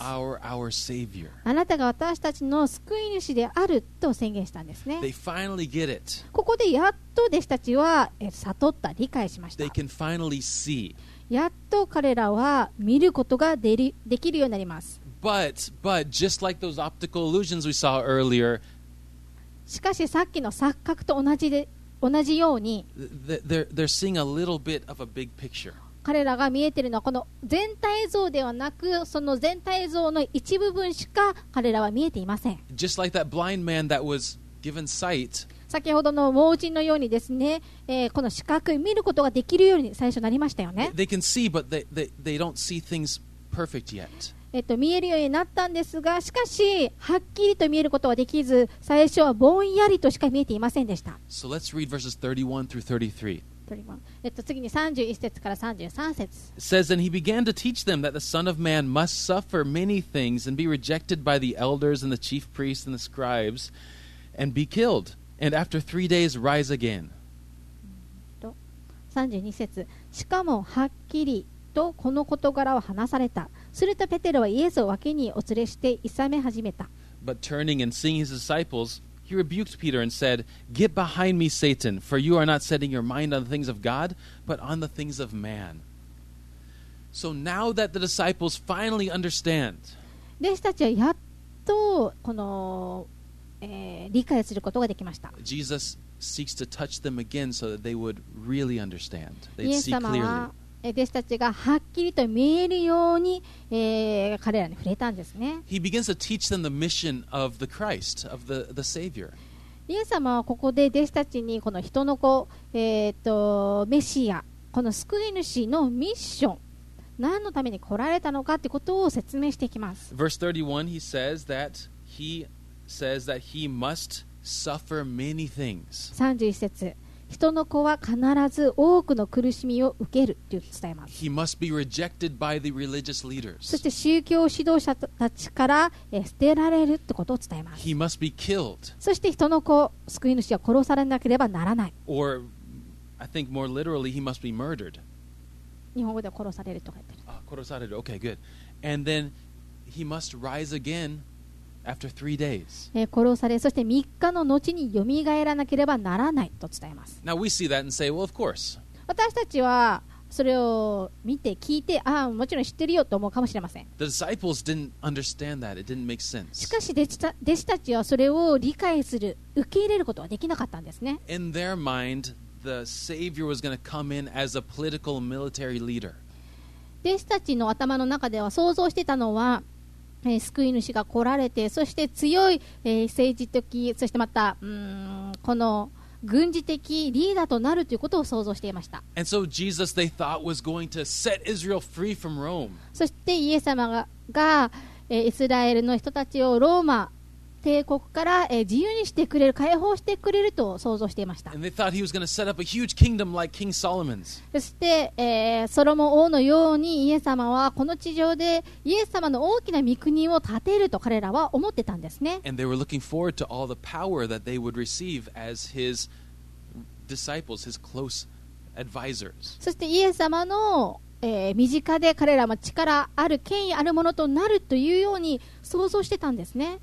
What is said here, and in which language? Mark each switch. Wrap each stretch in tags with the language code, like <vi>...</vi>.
<en>You are our Savior.</en> <ja>あなたが私たちの救い主であると宣言したんですね。</ja> <en>They finally get it.</en> <ja>ここでやっと弟子たちは悟った、理解しました。</ja> <en>They can finally see.</en> <ja>やっと彼らは見ることが できるようになります。</ja> <en>but just like those optical illusions we saw earlier,</en> <ja>しかしさっきの錯覚と同じように</ja> <en>they're seeing a little bit of a big picture.</en> <ja>彼らが見えているのはこの全体像ではなく、その全体像の一部分しか彼らは見えていません。</ja> <en>just like that blind man that was given sight.</en> <ja>先ほどの盲人のようにですね、この視覚見ることができるように最初なりましたよね。</ja> <en>They can see, but they don't see things perfect yet.</en> <ja>見えるようになったんですが、しかしはっきりと見えることはできず、最初はぼんやりとしか見えていませんでした。</ja> <en>So let's read verses 31 through</en> <ja>33. 次に31節から33節。</ja> <en>It says, And he began to teach them that the Son of Man must suffer many things and be rejected by the elders and the chief priests and the scribes and be killed. And after three days, rise again.</en> <ja>32節。しかもはっきりとこの事柄を話された。するとペテロはイエスを脇にお連れしていさめ始めた。</ja> <en>But turning and seeing his disciples, he rebuked Peter and said, Get behind me, Satan, for you are not setting your mind on the things of God, but on the things of man. So now that the disciples finally understand,</en> <ja>弟子たちはやっとこの理解することができました。</ja> <en>Jesus seeks to touch them again so that they would really understand.</en> <ja>イエス様は弟子たちがはっきりと見えるように、彼らに触れたんですね。</ja> <en>He begins to teach them the mission of the Christ, of the Savior.</en> <ja>イエス様はここで弟子たちにこの人の子、メシア、この救い主のミッション、何のために来られたのかということを説明していきます。</ja> <en>Verse 31, he says that he says that he must suffer many things.</en> <ja>31節。人の子は必ず多くの苦しみを受けると伝えます。</ja> <en>He must be rejected by the religious leaders.</en> <ja>そして宗教指導者たちから捨てられるということを伝えます。</ja> <en>He must be killed.</en> <ja>そして人の子、救い主は殺されなければならない。</ja> <en>Or, I think more literally, he must be murdered.</en> <ja>日本語では殺されるとか言ってる。殺される。</ja> <en>Okay, good. And then, he must rise again. After three days.</en> <ja>殺され、そして3日の後によみがえらなければならないと伝えます。</ja> <en>Now we see that and say, well, of course.</en> <ja>私たちはそれを見て聞いて、ああもちろん知ってるよと思うかもしれません。</ja> <en>The disciples didn't understand that. It didn't make sense.</en> <ja>しかし弟子たちはそれを理解する、受け入れることはできなかったんですね。</ja> <en>In their mind, the Savior was going to come in as a political military leader.</en> <ja>弟子たちの頭の中では想像してたのは、救い主が来られて、そして強い、政治的、そしてまた、この軍事的リーダーとなるということを想像していました。</ja> <en>And so、Jesus, they thought, was going to set Israel free from Rome.</en> <ja>そしてイエス様 が、イスラエルの人たちをローマ帝国から、自由にしてくれる、解放してくれると想像していました。</ja> <en>And they thought he was going to set up a huge kingdom like King Solomon's.</en> <ja>そして、ソロモン王のようにイエス様はこの地上でイエス様の大きな御国を建てると彼らは思ってたんですね。</ja> <en>And they were looking forward to all the power that they would receive as his disciples, his close advisors.</en> <ja>そしてイエス様の身近で彼らも力ある権威あるものとなるというように想像してたんですね。</ja>